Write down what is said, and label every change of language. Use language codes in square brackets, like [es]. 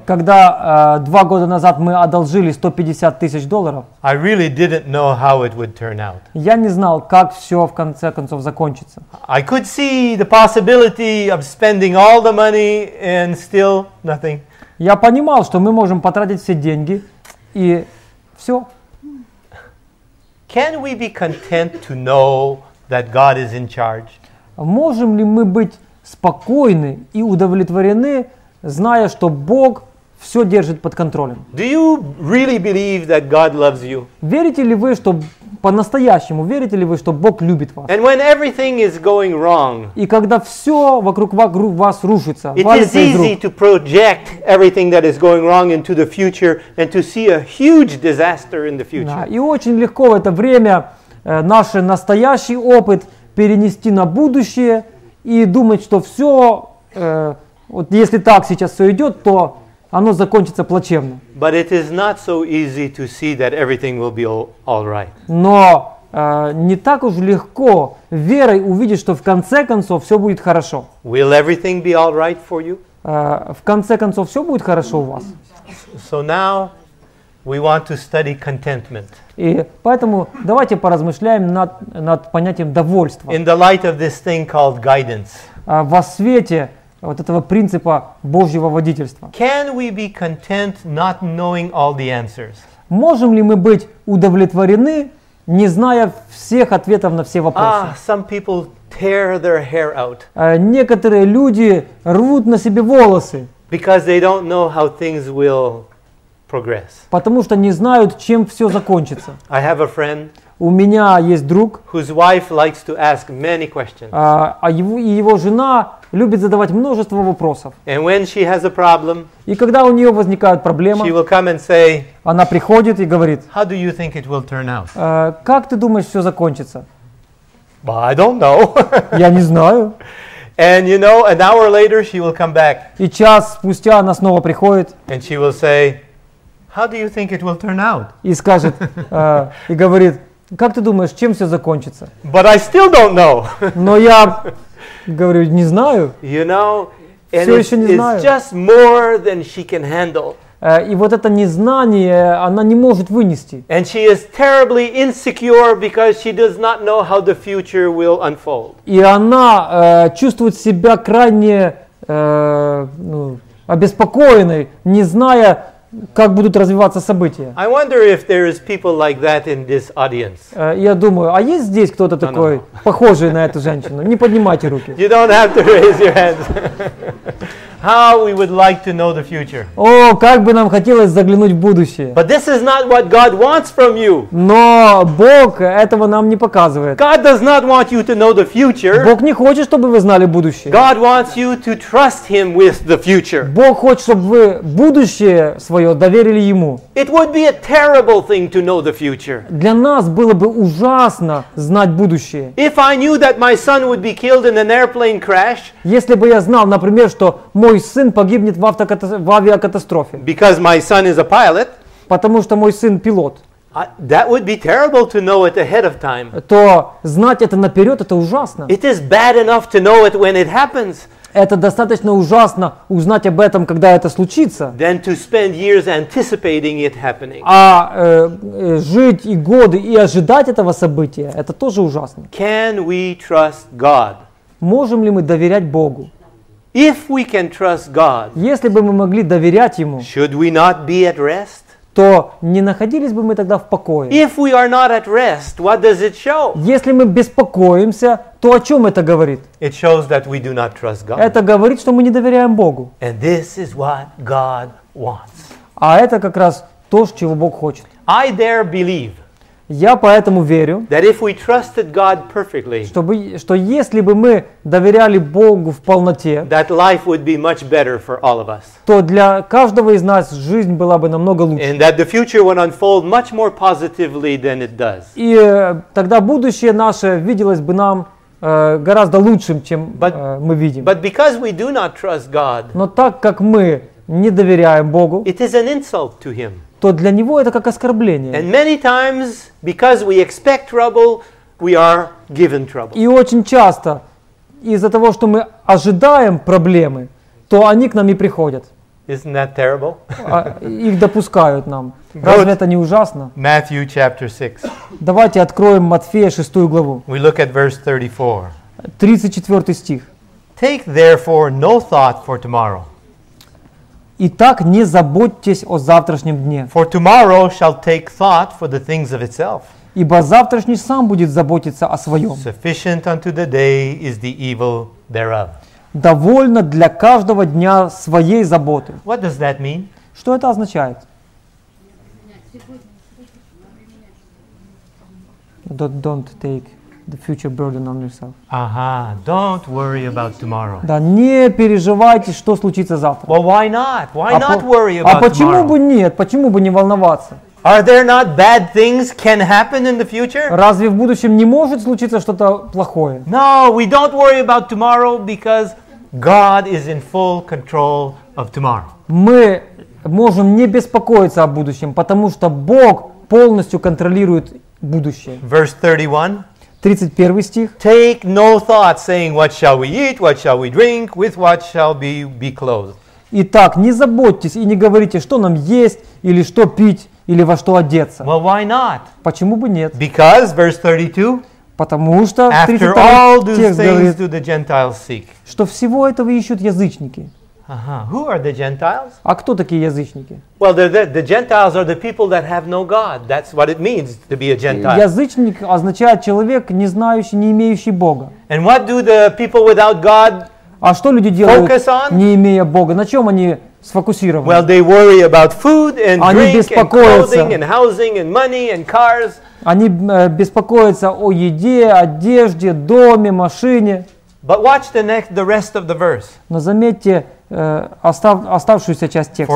[ru] Когда 2 года назад мы одолжили 150 тысяч долларов. [en] I really didn't know how it would turn out. [ru] Я не знал, как все в конце концов закончится. [en] I could see the possibility of spending all the money and still nothing. [ru] Я понимал, что мы можем потратить все деньги и все. [en] Can we be content to know that God is in charge? [ru] Можем ли мы быть спокойны и удовлетворены, зная, что Бог все держит под контролем? [en] Do you really believe that God loves you? [ru] Верите ли вы, что по-настоящему, верите ли вы, что Бог любит вас? [en] And when everything is going wrong, [ru] и когда все вокруг вас рушится, [en] it is easy to project everything that is going wrong into the future and to see a huge disaster in the future. [ru] Да, и очень легко в это время наш настоящий опыт перенести на будущее и думать, что все, вот если так сейчас все идет, то оно закончится плачевно. [en] But it is not so easy to see that everything will be all right. [ru] Но не так уж легко верой увидеть, что в конце концов все будет хорошо. [en] Will everything be all right for you? [ru] В конце концов все будет хорошо у вас. [en] So now we want to study contentment. [ru] И поэтому давайте поразмышляем над понятием довольства. [en] In the light of this thing called guidance. [ru] Во свете вот этого принципа Божьего водительства. [en] Can we be content not knowing all the answers? [ru] Можем ли мы быть удовлетворены, не зная всех ответов на все вопросы? [en] Ah, some people tear their hair out. [ru] Некоторые люди рвут на себе волосы. [en] Because they don't know how things will progress. [ru] Потому что не знают, чем все закончится. [en] I have a friend. [ru] У меня есть друг. [en] Whose wife likes to ask many questions. [ru] Его жена любит задавать множество вопросов. [en] And when she has a problem. [ru] И когда у нее возникает проблема. [en] She will come and say. [ru] Она приходит и говорит. [en] How do you think it will turn out? [ru] Как ты думаешь, все закончится? [en] Well, I don't know. [ru] Я не знаю. [en] And you know, an hour later she will come back. [ru] И час спустя она снова приходит. [en] And she will say. How do you think it will turn out? [ru] И скажет, и говорит, как ты думаешь, чем все закончится? [en] But I still don't know. [ru] Но я говорю, не знаю. [en] You know, [ru] все еще не знаю. [en] It's just more than she can handle. [ru] И вот это незнание она не может вынести. [en] And she is terribly insecure because she does not know how the future will unfold. [ru] И она чувствует себя крайне обеспокоенной, не зная, как будут развиваться события. [en] I wonder if there is people like that in this audience. [ru] Я думаю, а есть здесь кто-то такой, похожий на эту женщину? Не поднимайте руки. [en] You don't have to raise your hands. How we would like to know the future. [ru] О, как бы нам хотелось заглянуть в будущее. [en] But this is not what God wants from you. [ru] Но Бог этого нам не показывает. [en] God does not want you to know the future. [ru] Бог не хочет, чтобы вы знали будущее. [en] God wants you to trust him with the future. [ru] Бог хочет, чтобы вы будущее свое доверили ему. [en] It would be a terrible thing to know the future. [ru] Для нас было бы ужасно знать будущее. [en] If I knew that my son would be killed in an airplane crash. [ru] Если бы я знал, например, что мой сын погибнет в авиакатастрофе. [en] Because my son is a pilot. [ru] Потому что мой сын пилот. [en] That would be terrible to know it ahead of time. [ru] То знать это наперед, это ужасно. [en] It is bad enough to know it when it happens. [ru] Это достаточно ужасно узнать об этом, когда это случится. [en] Than to spend years anticipating it happening. [ru] А жить и годы и ожидать этого события, это тоже ужасно. [en] Can we trust God? [ru] Можем ли мы доверять Богу? [en] If we can trust God, [ru] если бы мы могли доверять ему, [en] should we not be at rest? [ru] То не находились бы мы тогда в покое. [en] If we are not at rest, what does it show? [ru] Если мы беспокоимся, то о чем это говорит? [en] It shows that we do not trust God. [ru] Это говорит, что мы не доверяем Богу. [en] And this is what God wants. [ru] А это как раз то, чего Бог хочет. [en] I dare believe. [ru] Я поэтому верю, [en] that if we trusted God perfectly, [ru] что если бы мы доверяли Богу в полноте, [en] that life would be much better for all of us. [ru] То для каждого из нас жизнь была бы намного лучше. [en] And that the future would unfold much more positively than it does. [ru] И тогда будущее наше виделось бы нам гораздо лучшим, чем мы видим. [en] But because we do not trust God, [ru] но так как мы не доверяем Богу, [en] it is an insult to Him. [ru] То для него это как оскорбление. [en] And many times, because we expect trouble, we are given trouble. [ru] И очень часто из-за того, что мы ожидаем проблемы, то они к нам и приходят. [en] Isn't that terrible? [ru] Их допускают нам. Разве это не ужасно? [en] Matthew chapter 6. [ru] Давайте откроем Матфея 6 главу. [en] We look at verse 34. [ru] 34 стих. [en] Take therefore no thought for tomorrow. [ru] Итак, не заботьтесь о завтрашнем дне. [en] For tomorrow shall take thought for the things of itself. [ru] Ибо завтрашний сам будет заботиться о своем. [en] Sufficient unto the day is the evil thereof. [ru] Довольно для каждого дня своей заботы. [en] What does that mean? [ru] Что это означает? [en] Don't take the future burden on yourself. Ага, don't worry about tomorrow. [ru] Да, не переживайте, что случится завтра. [en] Well, why not? Why not worry about tomorrow? [ru] А почему бы нет? Почему бы не волноваться? [en] Are there not bad things can happen in the future? [ru] Разве в будущем не может случиться что-то плохое? [en] No, we don't worry about tomorrow because God is in full control of tomorrow. [ru] Мы можем не беспокоиться о будущем, потому что Бог полностью контролирует будущее. [en] Verse 31. [ru] 31 стих. [en] Take no thought, saying, what shall we eat, what shall we drink, with what shall be clothed. [ru] Итак, не заботьтесь и не говорите, что нам есть, или что пить, или во что одеться. [en] Well, why not? [ru] Почему бы нет? [en] Because, verse 32. [ru] Потому что, 32 [en] after all those things [ru] говорит, [en] do the Gentiles seek. [ru] Что всего этого ищут язычники. [en] Uh-huh. Who are the Gentiles? [ru] А кто такие язычники? [en] Well, the Gentiles are the people that have no God. That's what it means to be a Gentile. [ru] Язычник означает человек, не знающий, не имеющий Бога. [en] And what do the people without God [ru] А что люди делают, не имея Бога? На чем они сфокусированы? [en] Well, they worry about food and [ru] они [en] drink [ru] беспокоятся. [en] And clothing and housing and money and cars. [ru] Они беспокоятся о еде, одежде, доме, машине. [en] But watch the rest of the verse. [ru] Но заметьте оставшуюся часть текста.